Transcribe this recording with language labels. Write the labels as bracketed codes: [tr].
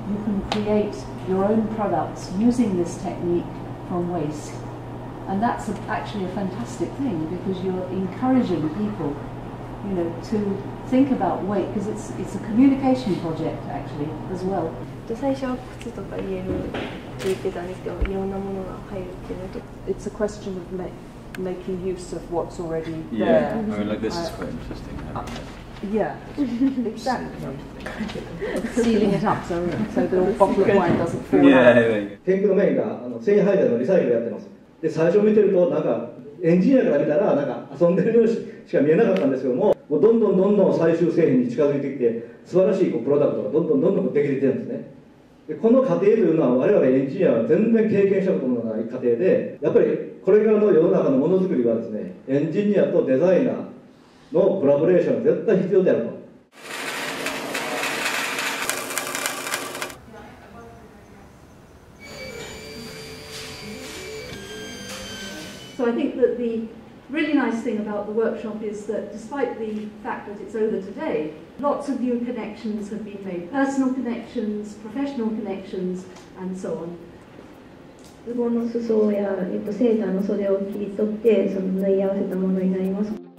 [en] You can create your own products using this technique from waste, and that's actually a fantastic thing because you're encouraging people, you know, to think about weight, because it's a communication project actually as well. [ja] 最初は靴とか家のって言ってたんですけど、いろんなものが入るっていうのと。 [en] It's a question of making use of what's already there. Yeah, mm-hmm. I mean, like, this is quite interesting. Yeah, exactly. Sealing it up so the bottle of wine doesn't fill. [ja] Yeah, エンジニアから見たら遊んでるようにしか見えなかったんですけども、どんどんどんどん最終製品に近づいてきて、素晴らしいプロダクトがどんどんどんどんできてるんですね。このカテゴリーというのは我々エンジニアは全然経験したことのない過程で、やっぱりこれからの世の中のものづくりはですね、エンジニアとデザイナーのコラボレーション絶対必要であると。 [en] So I think that the really nice thing about the workshop is that despite the fact that it's over today, lots of new connections have been made, personal connections, professional connections, and so on. [ja] ズボンの裾や、セーターの袖を切り取って、その縫い合わせたものになります。